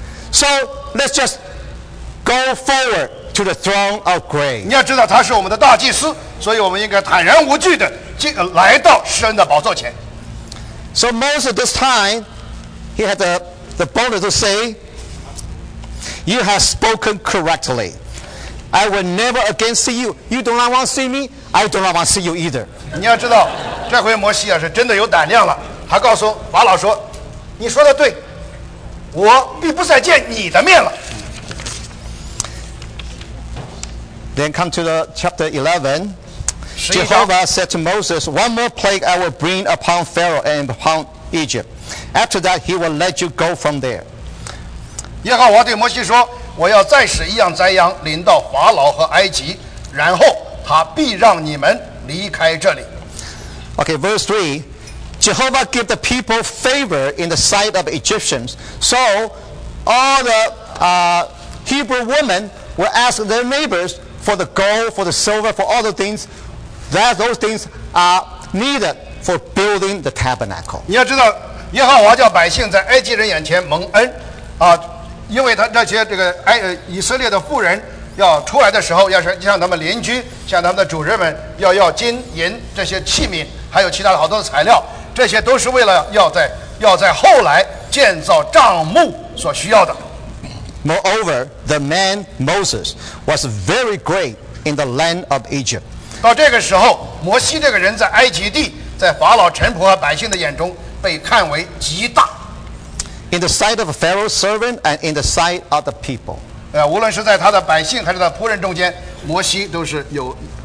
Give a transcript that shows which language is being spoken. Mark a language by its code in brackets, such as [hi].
[en] So let's just go forward to the throne of grace. [zh] 你要知道他是我们的大祭司，所以我们应该坦然无惧的来到施恩的宝座前。 [en] So Moses, this time, he had the boldness to say, "You have spoken correctly. I will never again see you. You do not want to see me. I do not want to see you either." [zh] 你要知道，这回摩西啊是真的有胆量了。他告诉法老说：“你说的对，我必不再见你的面了。” [en] Then come to the chapter 11. Jehovah said to Moses, "One more plague I will bring upon Pharaoh and upon Egypt. After that, he will let you go from there." [zh] 耶和华对摩西说，我要再使一样灾殃临到法老和埃及，然后他必让你们离开这里。 [en] Okay, verse 3. Jehovah gave the people favor in the sight of Egyptians. So all the Hebrew women were asking their neighbors for the gold, for the silver, for all the things. That those things are needed for building the tabernacle. [zh] 你要知道，耶和华叫百姓在埃及人眼前蒙恩，啊，因为他那些这个以色列的妇人要出来的时候，要是向他们邻居、向他们的主人们要金银这些器皿，还有其他的好多的材料，这些都是为了要在后来建造帐幕所需要的。 [en] Moreover, the man Moses was very great in the land of Egypt. [zh] 到这个时候，摩西这个人在埃及地，在法老臣仆和百姓的眼中被看为极大。 [en] In the sight of Pharaoh's servant and in the sight of the people， [zh] 无论是在他的百姓还是他仆人中间，摩西都是有